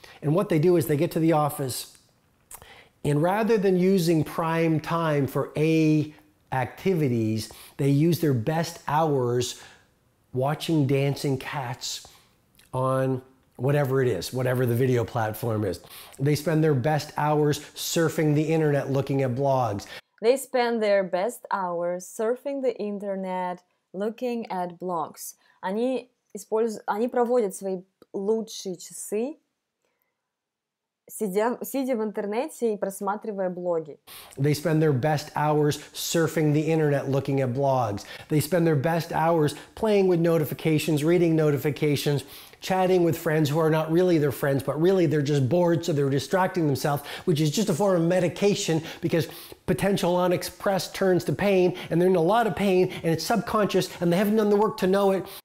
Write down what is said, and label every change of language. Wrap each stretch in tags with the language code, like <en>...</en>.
<en>And what they do is they get to the office, and rather than using prime time for A activities, they use their best hours watching dancing cats on whatever it is, whatever the video platform is. They spend their best hours surfing the internet looking at blogs. They spend their best hours surfing the internet looking at blogs.</en> <ru>Они проводят свои лучшие часы, сидя в интернете и просматривая блоги.</ru> <en>They spend their best hours surfing the internet looking at blogs. They spend their best hours playing with notifications, reading notifications, chatting with friends who are not really their friends, but really they're just bored, so they're distracting themselves, which is just a form of medication because potential unexpressed turns to pain, and they're in a lot of pain, and it's subconscious, and they haven't done the work to know it.</en>